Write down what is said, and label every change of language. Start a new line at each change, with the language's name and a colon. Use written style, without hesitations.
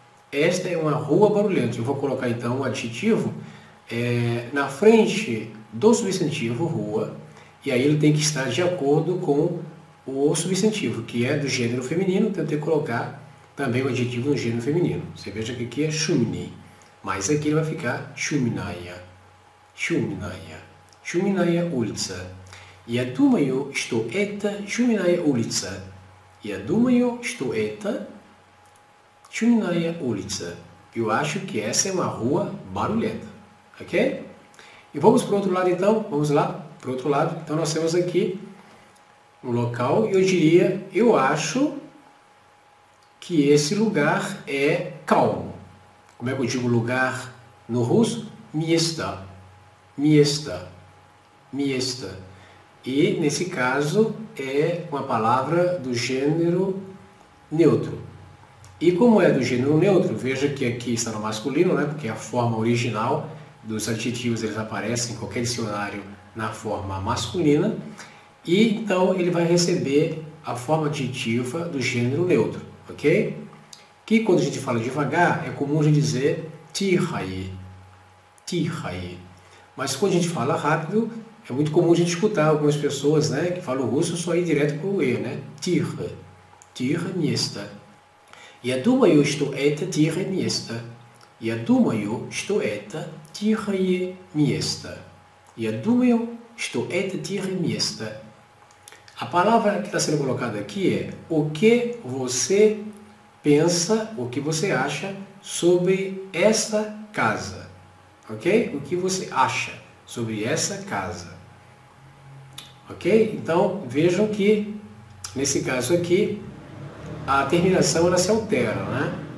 Portuguese: Esta é uma rua barulhenta. Eu vou colocar então o adjetivo na frente do substantivo rua, e aí ele tem que estar de acordo com o substantivo, que é do gênero feminino, tenho que colocar também o adjetivo no gênero feminino. Você veja que aqui é chumni. Mas aqui ele vai ficar chuminaia.
Russian: Chuminaia. Chuminaia ulica. Я думаю, что это chuminaia ulica. Я думаю, что это chuminaia ulica.
Portuguese: Eu acho que essa é uma rua barulhenta. Ok? E vamos para o outro lado então. Vamos lá para o outro lado. Então nós temos aqui um local e eu diria, eu acho que esse lugar é calmo. Como é que eu digo lugar no russo? Miesta. Miesta. Miesta. E, nesse caso, é uma palavra do gênero neutro. E como é do gênero neutro, veja que aqui está no masculino, né? Porque a forma original dos adjetivos, eles aparecem em qualquer dicionário na forma masculina. E, então, ele vai receber a forma adjetiva do gênero neutro, ok? Que quando a gente fala devagar, é comum a gente dizer tihai, tihai. Mas quando a gente fala rápido, é muito comum a gente escutar algumas pessoas, né, que falam russo só ir direto para o E, né?
Russian: Tih, tih miesta. Я думаю, что это тихое место. Я думаю, что это тихое место. Я думаю, что это тихое место.
Portuguese: A palavra que está sendo colocada aqui é o que você pensa, o que você acha sobre esta casa, ok? O que você acha sobre essa casa, ok? Então vejam que nesse caso aqui a terminação ela se altera, né?